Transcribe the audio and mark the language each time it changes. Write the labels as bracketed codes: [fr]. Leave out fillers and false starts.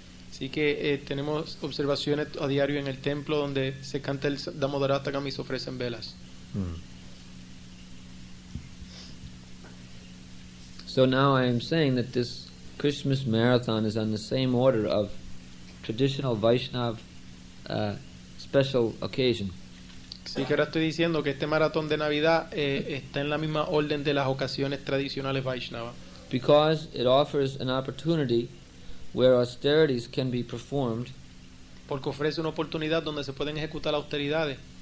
[es] Así que tenemos observaciones a diario en el templo donde se canta el Damodarastakam y se ofrecen velas. [en] So now I am saying that this Christmas marathon is on the same order of traditional Vaishnav special occasion. [es] Sí, que ahora estoy diciendo que este maratón de Navidad está en la misma orden de las ocasiones tradicionales Vaishnava. [en] Because it offers an opportunity where austerities can be performed. [es] Porque ofrece una oportunidad donde se pueden ejecutar austeridades.